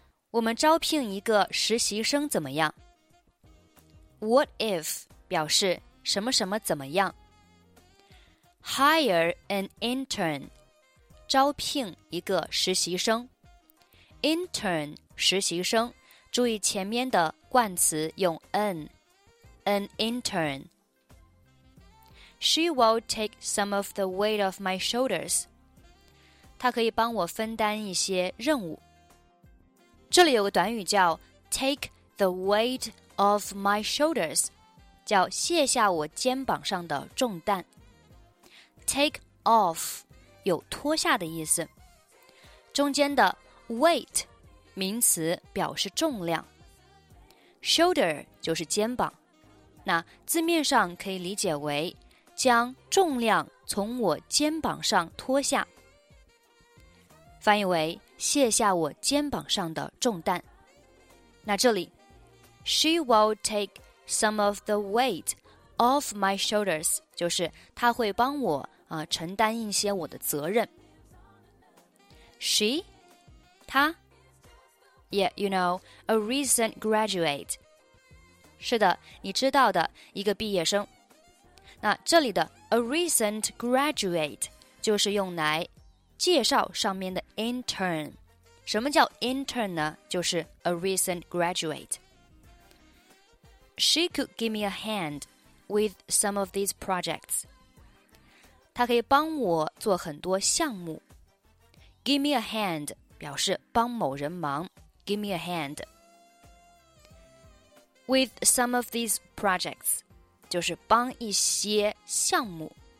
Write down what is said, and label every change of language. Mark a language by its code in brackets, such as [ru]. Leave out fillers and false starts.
[zh] 我们招聘一个实习生怎么样？ [en] What if [zh] 表示什么什么怎么样？ [en] Hire an intern [zh] 招聘一个实习生。 Intern 实习生，注意前面的冠词用 an。 [en] An intern。 She will take some of the weight off my shoulders。 [zh] 她可以帮我分担一些任务。这里有个短语叫 [en] take the weight of my shoulders， [zh] 叫卸下我肩膀上的重担。 Take off 有脱下的意思，中间的 weight 名词表示重量， shoulder 就是肩膀，那字面上可以理解为将重量从我肩膀上脱下，翻译为卸下我肩膀上的重担。那这里 [en] She will take some of the weight off my shoulders， [zh] 就是她会帮我、承担一些我的责任。 [en] She 她 Yeah, you know, a recent graduate。 [zh] 是的，你知道的，一个毕业生。那这里的 a recent graduate 就是用来介绍上面的 intern。什么叫 intern 呢？就是 [en] a recent graduate。 She could give me a hand with some of these projects， [zh] 她可以帮我做很多项目。 [en] Give me a hand [zh] 表示帮某人忙， [en] Give me a hand with some of these projects [zh] 就是帮一些项目。